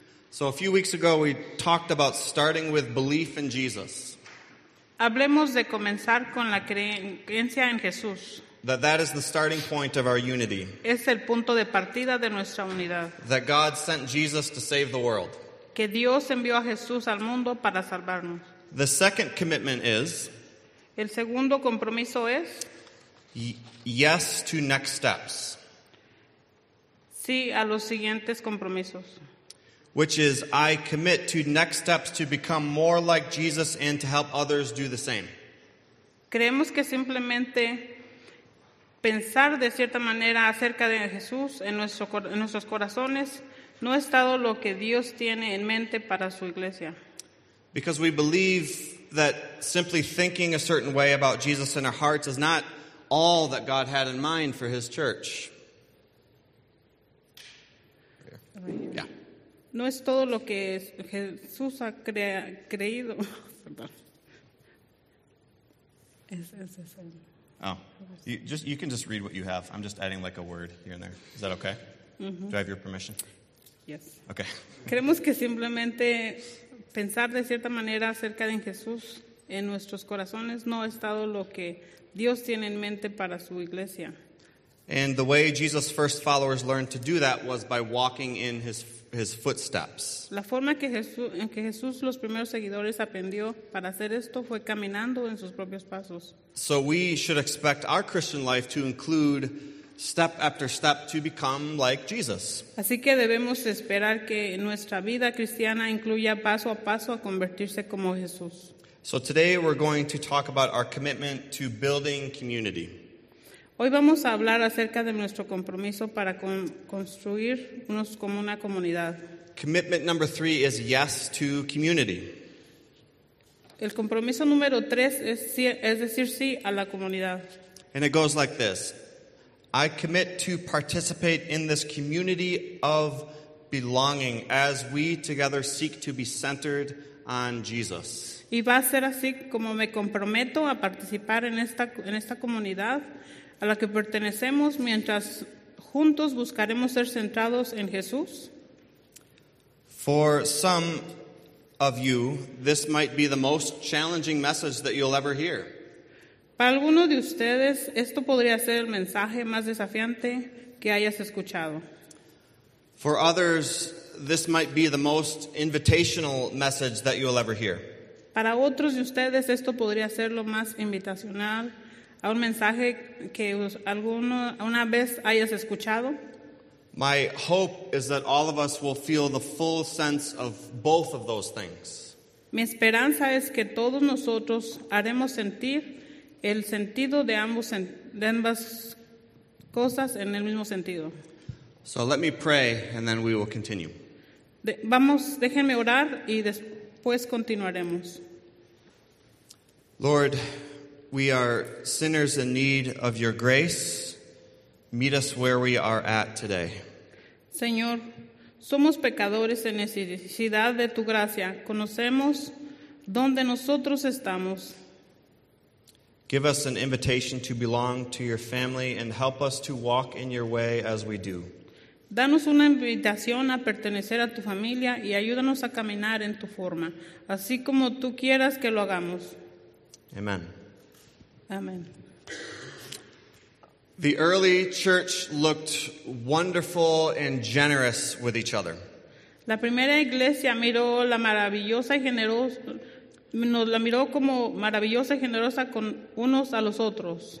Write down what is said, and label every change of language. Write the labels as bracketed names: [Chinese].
[English] So a few weeks ago we talked about starting with belief in Jesus. [Spanish] Hablemos de comenzar con la creencia en Jesús. [English] That is the starting point of our unity. [Spanish] Es el punto de partida de nuestra unidad. [English] That God sent Jesus to save the world. [Spanish] Que Dios envió a Jesús al mundo para salvarnos. [English] The second commitment is, [Spanish] el segundo compromiso es, [English] yes to next steps. [Spanish] Sí a los siguientes compromisos. [English] Which is, I commit to next steps to become more like Jesus and to help others do the same. [Spanish] Creemos que simplemente pensar de cierta manera acerca de Jesús en nuestros corazones no ha estado lo que Dios tiene en mente para su iglesia. [English] Because we believe that simply thinking a certain way about Jesus in our hearts is not all that God had in mind for his church. Yeah. [Spanish] No es todo lo que Jesús ha creído. [English] Oh, you can just read what you have. I'm just adding like a word here and there. Is that okay? Mm-hmm. Do I have your permission? Yes. Okay. [Spanish] Creemos que simplemente pensar de cierta manera acerca de Jesús en nuestros corazones no ha estado lo que Dios tiene en mente para su iglesia. [English] And the way Jesus' first followers learned to do that was by walking in his footsteps. [Spanish] La forma en que Jesús los primeros seguidores aprendió para hacer esto fue caminando en sus propios pasos. [English] So we should expect our Christian life to include step after step to become like Jesus. [Spanish] Así que debemos esperar que nuestra vida cristiana incluya paso a paso a convertirse como Jesús. [English] So today we're going to talk about our commitment to building community. [Spanish] Hoy vamos a hablar acerca de nuestro compromiso para construir unos como una comunidad. [English] Commitment number three is yes to community. [Spanish] El compromiso número tres es decir sí a la comunidad. [English] And it goes like this. I commit to participate in this community of belonging as we together seek to be centered on Jesus. [Spanish] Y va a ser así como me comprometo a participar en esta comunidad a la que pertenecemos mientras juntos buscaremos ser centrados en Jesús. [English] For some of you, this might be the most challenging message that you'll ever hear. [Spanish] Para algunos de ustedes, esto podría ser el mensaje más desafiante que hayas escuchado. [English] For others, this might be the most invitational message that you'll ever hear. [Spanish] Para otros de ustedes, esto podría ser lo más invitacional a un mensaje que alguno una vez hayas escuchado. [English] My hope is that all of us will feel the full sense of both of those things. [Spanish] Mi esperanza es que todos nosotros haremos sentir el sentido de ambos de ambas cosas en el mismo sentido. [English] So let me pray and then we will continue. [Spanish] Vamos, déjenme orar y después continuaremos. [English] Lord, we are sinners in need of your grace. Meet us where we are at today. [Spanish] Señor, somos pecadores en necesidad de tu gracia. Conocemos donde nosotros estamos. [English] Give us an invitation to belong to your family and help us to walk in your way as we do. [Spanish] Danos una invitación a pertenecer a tu familia y ayúdanos a caminar en tu forma, así como tú quieras que lo hagamos. [English] Amen. Amen. The early church looked wonderful and generous with each other. [Spanish] La primera iglesia miró la maravillosa y generosa, nos la miró como maravillosa y generosa con unos a los otros.